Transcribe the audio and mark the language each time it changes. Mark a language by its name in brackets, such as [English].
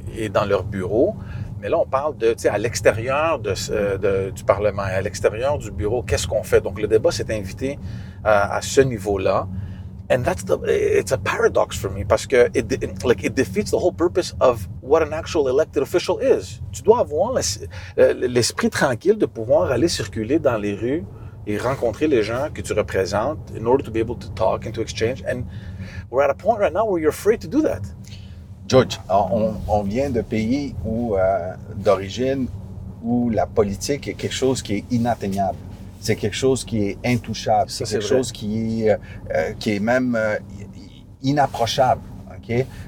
[French] Et dans leur bureau, mais là, on parle de, tu sais, à l'extérieur du Parlement, à l'extérieur du bureau, qu'est-ce qu'on fait? Donc, le débat s'est invité à ce niveau-là. [English] And it's a paradox for me, [French] parce que [English] it defeats the whole purpose of what an actual elected official is. [French] Tu dois avoir l'esprit tranquille de pouvoir aller circuler dans les rues et rencontrer les gens que tu représentes [English] in order to be able to talk and to exchange. And we're at a point right now where you're afraid to do that. [French] George, on vient de pays où, d'origine où la politique est quelque chose qui est inatteignable. C'est quelque chose qui est intouchable. C'est quelque chose qui est même inapprochable. Okay?